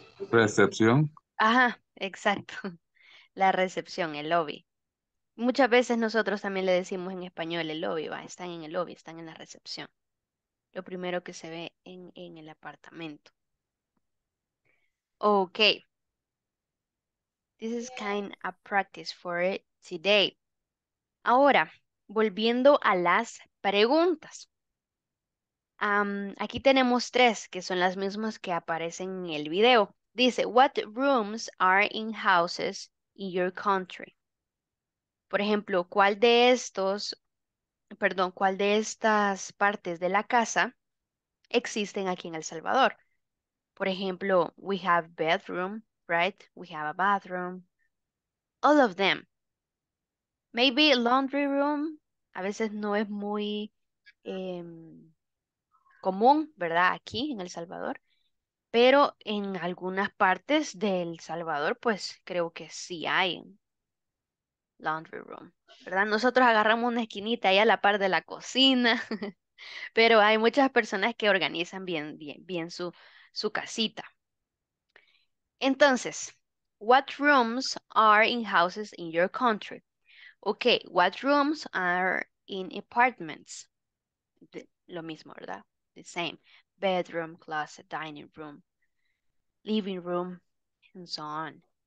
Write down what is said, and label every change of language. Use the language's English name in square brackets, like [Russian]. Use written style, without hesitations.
[Spanish] Recepción. Ajá, exacto. La recepción, el lobby. Muchas veces nosotros también le decimos en español el lobby, va, están en el lobby, están en la recepción. Lo primero que se ve en el apartamento. Ok. [English] This is kind of practice for it today. [Spanish] Ahora, volviendo a las preguntas. Aquí tenemos tres, que son las mismas que aparecen en el video. Dice, [English] what rooms are in houses in your country? [Spanish] Por ejemplo, ¿cuál de estas partes de la casa existen aquí en El Salvador? Por ejemplo, [English] we have bedroom, right? We have a bathroom. All of them. Maybe laundry room, [Spanish] a veces no es muy común, ¿verdad? Aquí en El Salvador. Pero en algunas partes del Salvador, pues creo que sí hay laundry room, ¿verdad? Nosotros agarramos una esquinita ahí a la par de la cocina. Pero hay muchas personas que organizan bien, bien, bien su casita. Entonces, [English] what rooms are in houses in your country? Okay, what rooms are in apartments? [Spanish] Lo mismo, ¿verdad? [English] The same. Bedroom, closet, dining room, living room, and so on.